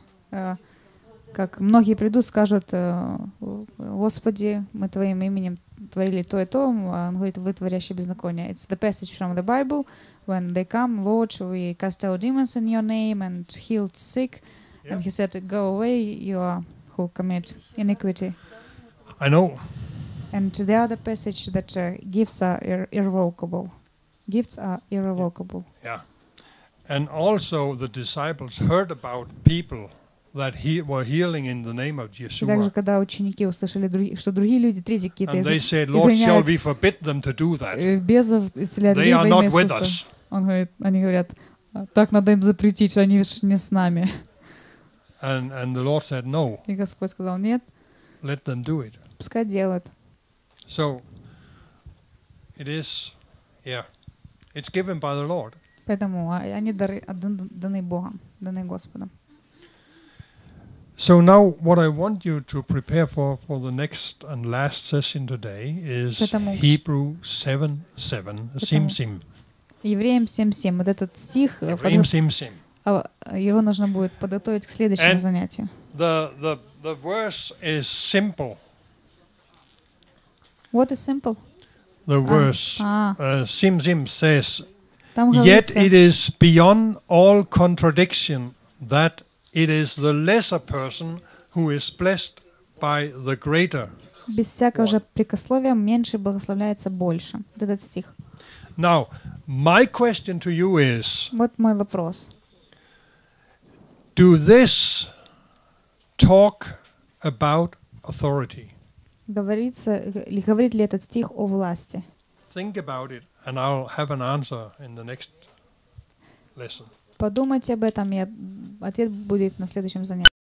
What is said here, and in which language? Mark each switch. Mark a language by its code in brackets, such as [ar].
[ru] Как многие придут, скажут, Господи, мы твоим именем творили то и то, он говорит, вы творящие беззаконие. [en] It's the passage from the Bible, when they come, Lord, we cast out demons in your name and healed sick, yeah. And he said, go away, you are who commit iniquity. I know. And the other passage that gifts are irrevocable. Gifts are irrevocable. Yeah. And also the disciples heard about people that he were healing in the name of Yeshua. [ru] Также когда ученики услышали, что другие люди, третьи какие-то, [en] and they said, Lord, shall we forbid them to do that? [ru] Бесов исцелять во имя Иисуса. [en] They are not with us. [ru] Он говорит, они говорят, так надо им запретить, что они же не с нами. [en] And the Lord said, no. [ru] И Господь сказал, нет. [en] Let them do it. [ru] Пускай делают. [en] So it is, yeah, it's given by the Lord. [ru] Поэтому они даны Богом, даны Господом. [en] So now what I want you to prepare for the next and last session today is Hebrews 7:7. [ru] Евреям 7:7. Вот этот стих. Евреям 7:7. его нужно будет подготовить к следующему занятию. [en] The verse is simple. What is simple? The verse. Sim says. Yet it is beyond all contradiction that it is the lesser person who is blessed by the greater. [ru] Без всякого же прикословия меньше благословляется больше. Этот стих. [en] Now, my question to you is. [ru] Вот мой вопрос. [en] Do this talk about authority? [ru] Говорит ли этот стих о власти? [en] Think about it, and I'll have an answer in the next lesson. [ru] Подумайте об этом, и ответ будет на следующем занятии.